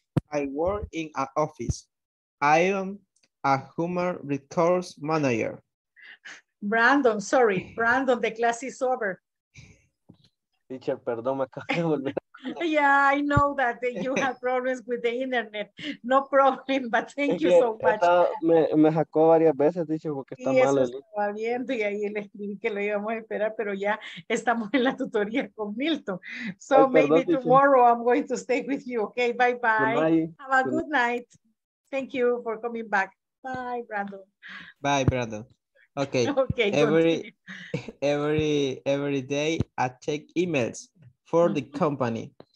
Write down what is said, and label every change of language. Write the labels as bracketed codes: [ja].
[en] I work in an office. I am a human resource manager. Brandon, sorry. Brandon, the class is over. [es] Teacher, perdón, me acabo de volver. [en] Yeah, I know that you have problems with the internet. No problem, but thank you so much. [es] Me sacó varias veces, dicho, porque está mal. Y eso estaba viendo, y ahí le escribí que lo íbamos a esperar, pero ya estamos en la tutoría con Milton. [en] So maybe tomorrow I'm going to stay with you. Okay, bye-bye. Have a good night. Thank you for coming back. Bye, Brandon. Bye, Brandon. Okay. Okay, every day I check emails for the company.